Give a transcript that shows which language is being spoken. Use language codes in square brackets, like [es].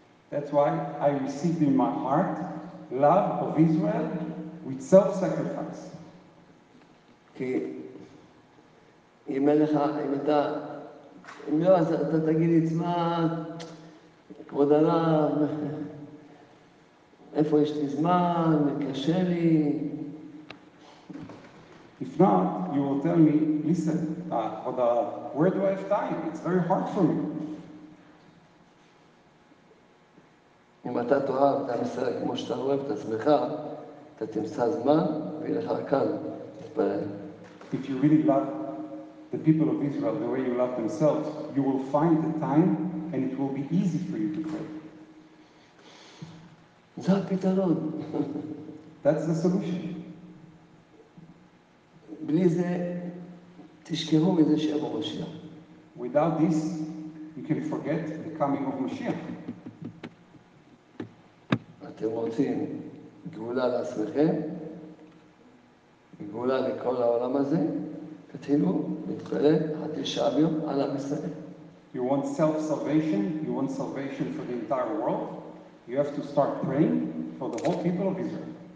[en] That's why I received in my heart love of Israel with self-sacrifice. [he] כי אם אין לך, אם אתה, אם לא, אז אתה תגיד לי, תשמע, כבוד הרב, איפה יש לי זמן, קשה לי. [en] If not, you will tell me, listen, where do I have time? It's very hard for me. [he] אם אתה תאהב את המסר כמו שאתה אוהב את עצמך, אתה תמצא זמן ויהיה לך קל להתפלל. [en] If you really love the people of Israel the way you love themselves, you will find the time and it will be easy for you to pray. [he] זה הפתרון. [en] That's the solution. [he] בלי זה תשכחו מזה שיבוא משיח. [en] Without this, you can forget the coming of Moshiach. [he] אתם רוצים גאולה לעצמכם, גאולה לכל העולם הזה, תתחילו להתפלל תשעה ביום על עם ישראל. [en] You want self-salvation, you want salvation for the entire world, you have to start praying for the whole people of Israel.